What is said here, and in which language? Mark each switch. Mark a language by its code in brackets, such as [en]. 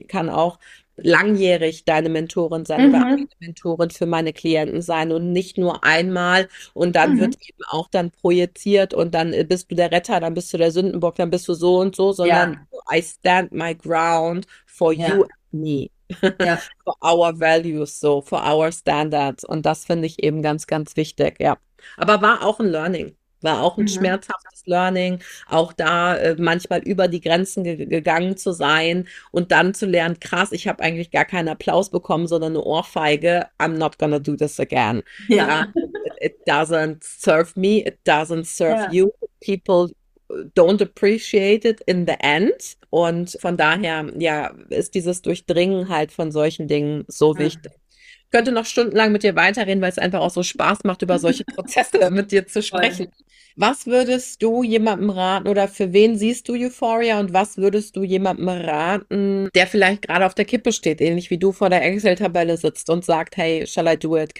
[de] auch langjährig deine Mentorin sein oder eine Mentorin für meine Klienten sein und nicht nur einmal und dann wird eben auch dann projiziert und dann bist du der Retter, dann bist du der Sündenbock, dann bist du so und so, sondern [en] I stand my ground for you and me, for our values, so for our standards [de] und das finde ich eben ganz, ganz wichtig, ja. Aber war auch ein Learning. War auch ein schmerzhaftes Learning, auch da manchmal über die Grenzen gegangen zu sein und dann zu lernen, krass, ich habe eigentlich gar keinen Applaus bekommen, sondern eine Ohrfeige. [en] I'm not gonna do this again. Ja, it doesn't serve me, it doesn't serve you. People don't appreciate it in the end. [de] Und von daher, ja, ist dieses Durchdringen halt von solchen Dingen so wichtig. Ich könnte noch stundenlang mit dir weiterreden, weil es einfach auch so Spaß macht, über solche Prozesse mit dir zu sprechen. Was würdest du jemandem raten oder für wen siehst du Euphoria und was würdest du jemandem raten, der vielleicht gerade auf der Kippe steht, ähnlich wie du vor der Excel-Tabelle sitzt und sagt, [en] hey, shall I do it?